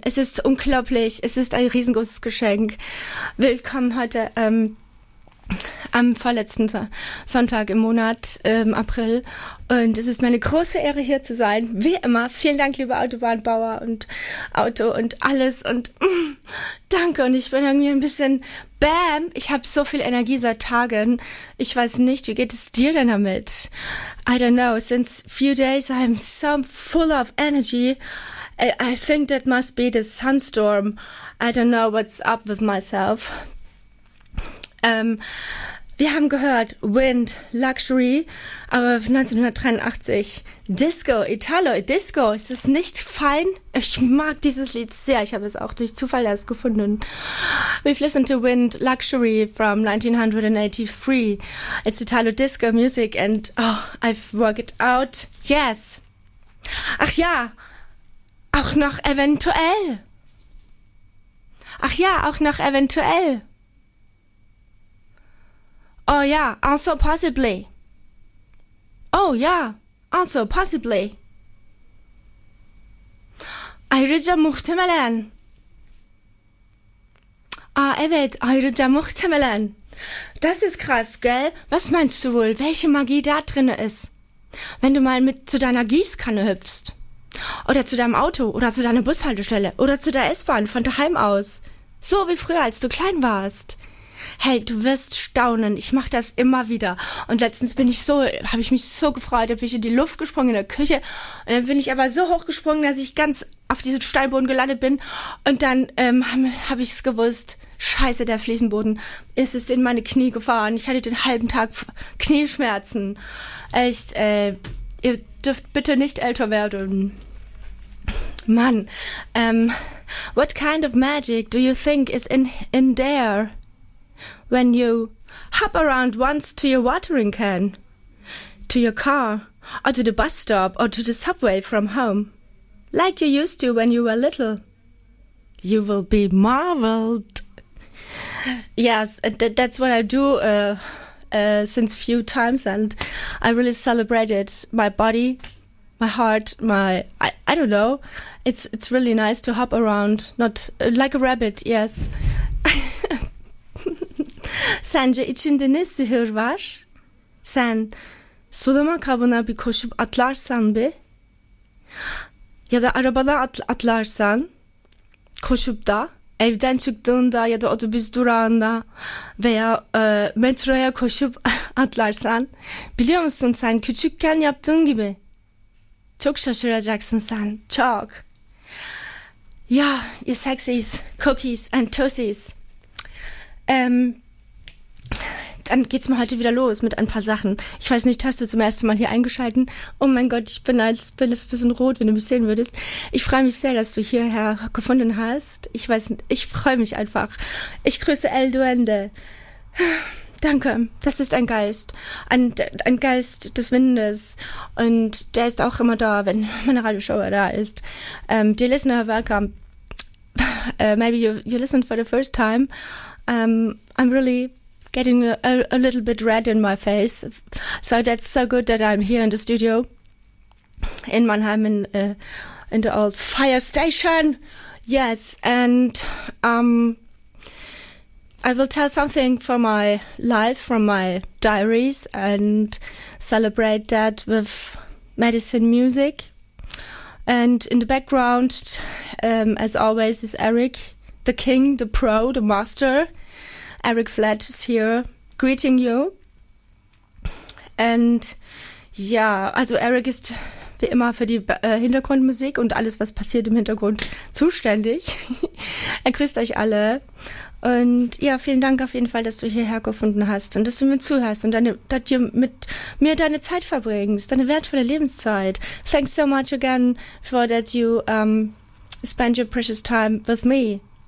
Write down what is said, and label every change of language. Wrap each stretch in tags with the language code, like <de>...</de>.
<de>Es ist unglaublich. Es ist ein riesengroßes Geschenk. Willkommen heute am vorletzten Sonntag im Monat, April. Und es ist meine große Ehre, hier zu sein. Wie immer. Vielen Dank, liebe Autobahnbauer und Auto und alles. Und danke. Und ich bin irgendwie ein bisschen bam. Ich habe so viel Energie seit Tagen. Ich weiß nicht, wie geht es dir denn damit?</de> <en>I don't know, since few days I'm so full of energy. I think that must be the sunstorm. I don't know what's up with myself.</en> <de>Wir haben gehört Wind, Luxury, aber 1983, Disco, Italo, Disco. Ist es nicht fein? Ich mag dieses Lied sehr. Ich habe es auch durch Zufall erst gefunden.</de> <en>We've listened to Wind, Luxury from 1983. It's Italo Disco Music and I've worked it out. Yes.</en> <de>Ach ja, auch noch eventuell. Ach ja, auch noch eventuell.</de> <en>Oh ja, also possibly. Oh ja, also possibly.</en> <tr>Ayrıca muhtemelen. Ah evet, ayrıca muhtemelen.</tr> <de>Das ist krass, gell? Was meinst du wohl, welche Magie da drinne ist? Wenn du mal mit zu deiner Gießkanne hüpfst. Oder zu deinem Auto, oder zu deiner Bushaltestelle, oder zu der S-Bahn von daheim aus. So wie früher, als du klein warst. Hey, du wirst staunen. Ich mache das immer wieder. Und letztens habe ich mich so gefreut, da bin ich in die Luft gesprungen in der Küche. Und dann bin ich aber so hoch gesprungen, dass ich ganz auf diesen Steinboden gelandet bin. Und dann hab ich es gewusst. Scheiße, der Fliesenboden. Es ist in meine Knie gefahren. Ich hatte den halben Tag Knieschmerzen. Echt, ihr dürft bitte nicht älter werden.</de> <en>Mann, what kind of magic do you think is in there? When you hop around once to your watering can, to your car, or to the bus stop, or to the subway from home, like you used to when you were little, you will be marveled. Yes, that's what I do since few times, and I really celebrated my body, my heart, I don't know. It's really nice to hop around, not like a rabbit, yes.</en> <tr>Sence içinde ne sihir var? Sen sulama kabına bir koşup atlarsan be? Ya da arabana atlarsan koşup da evden çıktığında ya da otobüs durağında veya metroya koşup atlarsan biliyor musun sen küçükken yaptığın gibi? Çok şaşıracaksın sen, çok.</tr> <en>Ya, you sexies, cookies and toasties.</en> <de>Dann geht's mal heute wieder los mit ein paar Sachen. Ich weiß nicht, hast du zum ersten Mal hier eingeschalten? Oh mein Gott, ich bin ein bisschen rot, wenn du mich sehen würdest. Ich freue mich sehr, dass du hierher gefunden hast. Ich weiß nicht, ich freue mich einfach. Ich grüße El Duende. Danke, das ist ein Geist. Ein Geist des Windes. Und der ist auch immer da, wenn meine Radioshow da ist.</de> <en>Dear listener, welcome. Maybe you listened for the first time. I'm really getting a little bit red in my face. So that's so good that I'm here in the studio in Mannheim in the old fire station. Yes, and I will tell something from my life, from my diaries, and celebrate that with medicine music. And in the background, as always, is Eric, the king, the pro, the master. Eric Fletch is here greeting you.</en> <de>And ja, also Eric ist wie immer für die Hintergrundmusik und alles, was passiert im Hintergrund, zuständig. Er grüßt euch alle. Und ja, vielen Dank auf jeden Fall, dass du hierher gefunden hast und dass du mir zuhörst und dass du mit mir deine Zeit verbringst, deine wertvolle Lebenszeit.</de> <en>Thanks so much again for that you spend your precious time with me.</en>